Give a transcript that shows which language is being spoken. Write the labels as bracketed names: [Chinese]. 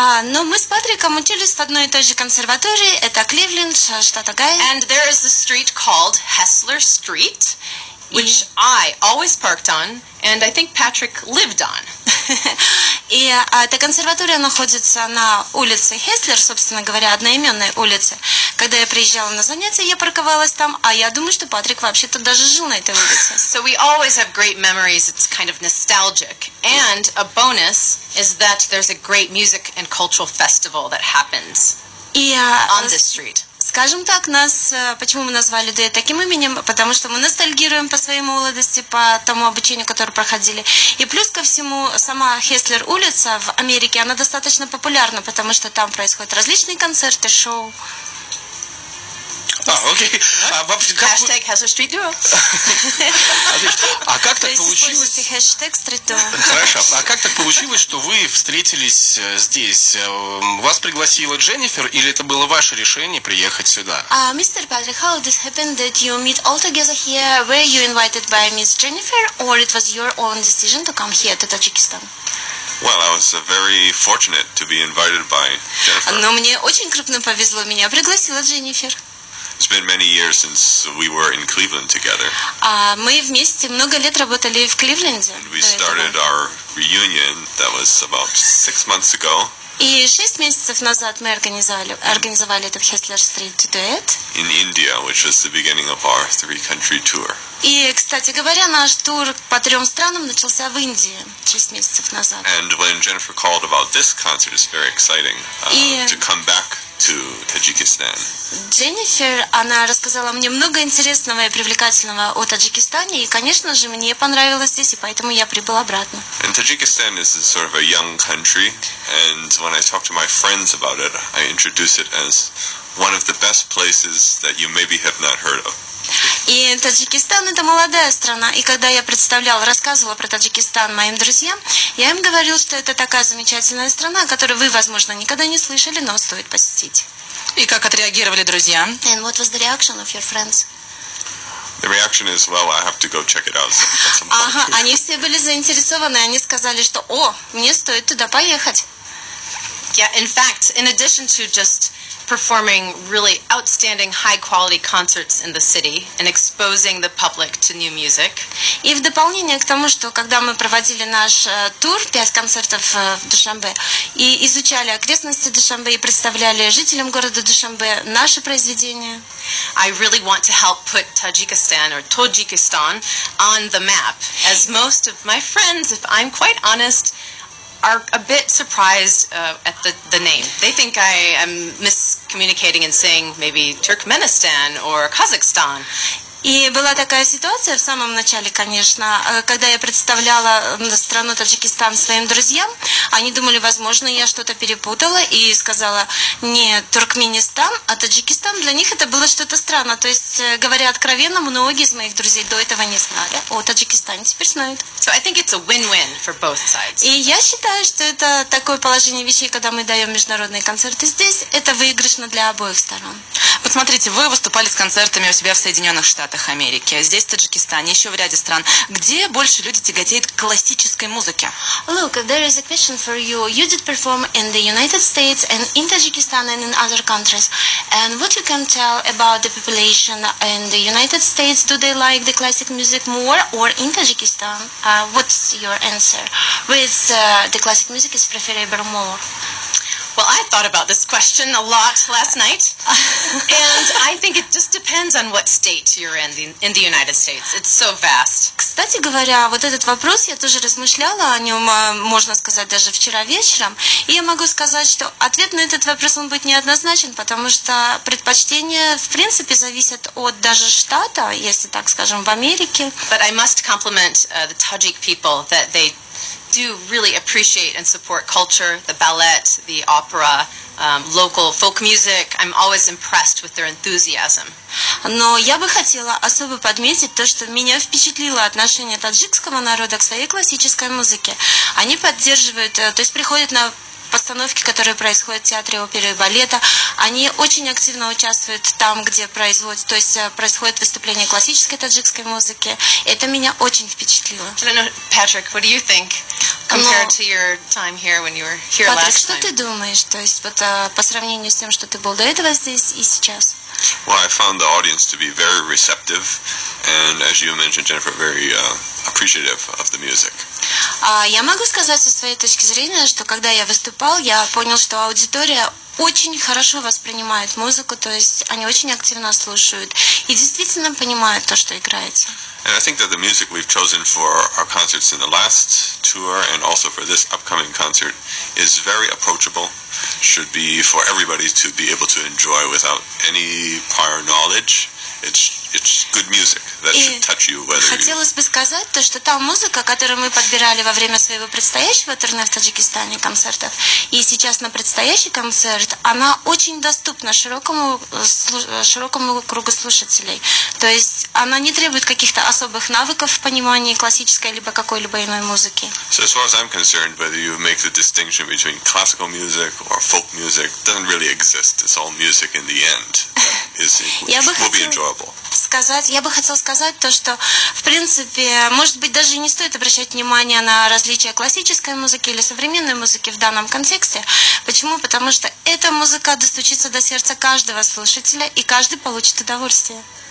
[Russian] Но мы с Патриком учились в одной и той же консерватории. Это Кливленд, штат Огайо. [English] And there is a street called Hessler Street, which I always parked on, and I think Patrick lived on. [Russian] И эта консерватория находится на улице Хеслер, собственно говоря, одноименной улице. Когда я приезжала на занятия, я парковалась там, а я думаю, что Патрик вообще-то даже жил на этой улице. [English] So we always have great memories, it's kind of nostalgic. And a bonus is that there's a great music and cultural festival that happens on this street. [Russian] Скажем так, нас, почему мы назвали дуэт таким именем, потому что мы ностальгируем по своей молодости, по тому обучению, которое проходили. И плюс ко всему, сама Хеслер улица в Америке, она достаточно популярна, потому что там происходят различные концерты, шоу. Хэштег Хеслер Стрит Дуо. А как так получилось? То есть используйте хэштег Стрит Дуо. Хорошо. А как так получилось, что вы встретились здесь? Вас пригласила Дженнифер, или это было ваше решение приехать сюда? Мистер Патрик, как это случилось, что вы [English] meet all together here? Were you invited by Miss Jennifer, or it was your own decision to come here to Tajikistan? Well, I was very fortunate to be invited by Jennifer. [Russian] Но мне очень крупно повезло, меня пригласила Дженнифер. [English] It's been many years since we were in Cleveland together. [Russian] Мы вместе много лет работали в Кливленде. [English] And we started our reunion that was about 6 months ago. [Russian] И 6 месяцев назад мы организовали этот Hessler Street Duet. [English] In India, which was the beginning of our three-country tour. [Russian] И, кстати говоря, наш тур по трем странам начался в Индии 6 месяцев назад. [English] And when Jennifer called about this concert, it's very exciting to come back to Tajikistan. [Russian] Дженнифер, она рассказала мне много интересного и привлекательного о Таджикистане, и, конечно же, мне понравилось здесь, и поэтому я прибыла обратно. [English] And Tajikistan is sort of a young country, and when I talk to my friends about it, I introduce it as one of the best places that you maybe have not heard of. [Russian] И Таджикистан – это молодая страна. И когда я представляла, рассказывала про Таджикистан моим друзьям, я им говорила, что это такая замечательная страна, о которой вы, возможно, никогда не слышали, но стоит посетить. И как отреагировали друзья? [English] And what was the reaction of your friends? The reaction is, well, I have to go check it out. [Russian] Ага, они все были заинтересованы, они сказали, что, о, мне стоит туда поехать. [English] Yeah, in fact, in addition to just performing really outstanding high quality concerts in the city and exposing the public to new music. [Russian] И в дополнение к тому, что когда мы проводили наш тур, 5 концертов в Душанбе, и изучали окрестности Душанбе и представляли жителям города Душанбе наши произведения. [English] I really want to help put Tajikistan or Tajikistan on the map, as most of my friends, if I'm quite honest, are a bit surprised at the name. They think I am miscommunicating and saying maybe Turkmenistan or Kazakhstan. [Russian] И была такая ситуация в самом начале, конечно, когда я представляла страну Таджикистан своим друзьям, они думали, возможно, я что-то перепутала и сказала, не Туркменистан, а Таджикистан. Для них это было что-то странно. То есть, говоря откровенно, многие из моих друзей до этого не знали о Таджикистане, теперь знают. [English] So I think it's a win-win for both sides. [Russian] И я считаю, что это такое положение вещей, когда мы даем международные концерты здесь, это выигрышно для обоих сторон. Вот смотрите, вы выступали с концертами у себя в Соединенных Штатах. Америки, здесь в Таджикистане, еще в ряде стран, где больше люди тяготеют к классической музыке. [English] Look, there is a question for you. You did perform in the United States and in Tajikistan and in other countries. And what you can tell about the population in the United States? Do they like the classic music more or in Tajikistan? What's your answer? With the classic music is preferable more? Well, I thought about this question a lot last night, and I think it just depends on what state you're in the United States. It's so vast. [Russian] Кстати говоря, вот этот вопрос я тоже размышляла о нем, можно сказать, даже вчера вечером, и я могу сказать, что ответ на этот вопрос он будет неоднозначен, потому что предпочтения, в принципе, зависят от даже штата, если так скажем, в Америке. [English] But I must compliment the Tajik people that they do really appreciate and support culture, the ballet, the opera, local folk music. I'm always impressed with their enthusiasm. [Russian] Но я бы хотела особо подметить то, что меня впечатлило отношение таджикского народа к своей классической музыке. Они поддерживают, то есть приходят на постановки, которые происходят в театре оперы и балета. Они очень активно участвуют там, где производят, то есть происходит выступление классической таджикской музыки. Это меня очень впечатлило. [English] Patrick, what do you think compared to your time here when you were here last time? [Russian] Patrick, что ты думаешь, то есть вот по сравнению с тем, что ты был до этого здесь и сейчас? [English] Well, I found the audience to be very receptive and, as you mentioned, Jennifer, very appreciative of the music. [Russian] Я могу сказать со своей точки зрения, что когда я выступал, я понял, что аудитория очень хорошо воспринимает музыку, то есть они очень активно слушают и действительно понимают то, что играется. [English] And I think that the music we've chosen for our concerts in the last tour and also for this upcoming concert is very approachable, should be for everybody to be able to enjoy without any prior knowledge. It's good music that should touch you. [Russian] Хотелось бы сказать то, что та музыка, которую мы подбирали во время своего предстоящего турне в Таджикистане концертов, и сейчас на предстоящий концерт, она очень доступна широкому кругу слушателей. То есть она не требует каких-то особых навыков в понимании классической либо какой-либо иной музыки. [English] So as far as I'm concerned, whether you make the distinction between classical music or folk music doesn't really exist. It's all music in the end. [Russian] Я бы хотел сказать то, что, в принципе, может быть, даже не стоит обращать внимание на различия классической музыки или современной музыки в данном контексте. Почему? Потому что эта музыка достучится до сердца каждого слушателя, и каждый получит удовольствие.